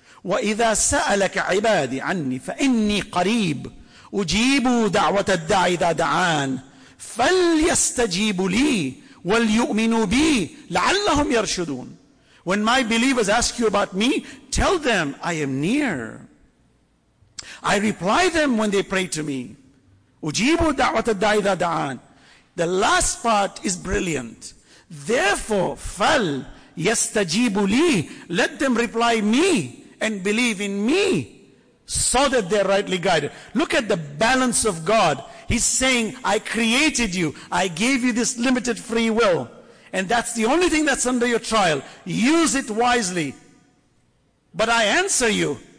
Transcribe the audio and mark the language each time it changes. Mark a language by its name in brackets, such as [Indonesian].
[Arabic] وَإِذَا سَأَلَكَ عِبَادِي عَنِّي فَإِنِّي قَرِيبٌ أُجِيبُ دَعْوَةَ الدَّاعِ إِذَا دَعَانِ فَلْيَسْتَجِيبُ لِي وَلْيُؤْمِنُوا بِي لَعَلَّهُمْ يَرْشُدُونَ. [English] When my believers ask you about me, tell them I am near. I reply them when they pray to me. [Arabic] أُجِيبُ دَعْوَةَ الدَّاعِ إِذَا دَعَانِ. [English] The last part is brilliant. Therefore, [Arabic] فَلْيَسْتَجِيبُ لِي. [English] Let them reply me and believe in me, so that they're rightly guided. Look at the balance of God. He's saying, I created you. I gave you this limited free will. And that's the only thing that's under your trial. Use it wisely. But I answer you.